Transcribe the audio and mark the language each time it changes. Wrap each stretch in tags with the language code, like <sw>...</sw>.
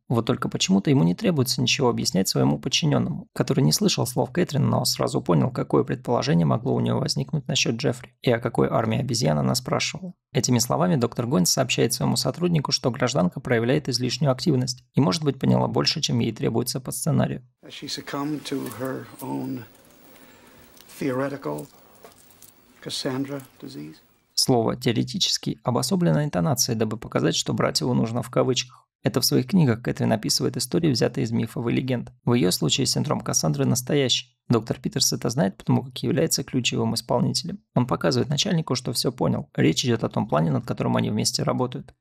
<ru>Вот только почему-то ему не требуется ничего объяснять своему подчиненному, который не слышал слов Кэтрин, но сразу понял, какое предположение могло у него возникнуть насчет Джеффри и о какой армии обезьян она спрашивала. Этими словами доктор Гойнс сообщает своему сотруднику, что гражданка проявляет излишнюю активность и, может быть, поняла больше, чем ей требуется по сценарию.</ru> <en>She succumbed to her own theoretical Cassandra disease.</en> <ru>слово «теоретически» обособленной интонацией, дабы показать, что брать его нужно в кавычках. Это в своих книгах Кэтрин описывает истории, взятые из мифов и легенд. В ее случае синдром Кассандры настоящий. Доктор Питерс это знает, потому как является ключевым исполнителем. Он показывает начальнику, что все понял. Речь идет о том плане, над которым они вместе работают.</ru>